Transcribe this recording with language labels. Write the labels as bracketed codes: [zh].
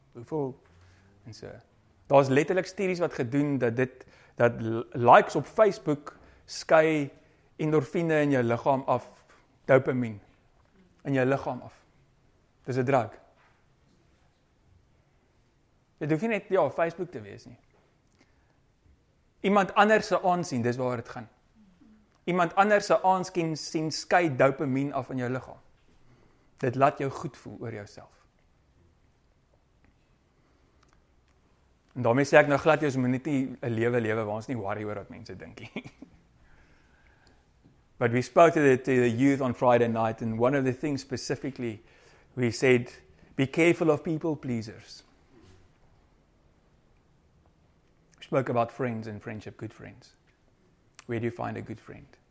[af] Hoeveel en so. Daar's letterlik studies wat gedoen dat likes op Facebook skei endorfine in jou liggaam af, dopamien in jou liggaam af. Dis 'n drug. Jy hoef nie net ja, Facebook te wees nie. Iemand anders se aansien, dis waar dit gaan. Iemand anders se aansien sien skei dopamien af in jou liggaam. Dit laat jou goed voel oor jouself. En daarmee sê ek nou glad jy ons moet nie 'n lewe lewe waar ons nie worry oor wat mense dink nie. [en] But we spoke to the youth on Friday night, and one of the things specifically we said, be careful of people pleasers. We spoke about friends and friendship, good friends. Where do you find a good friend?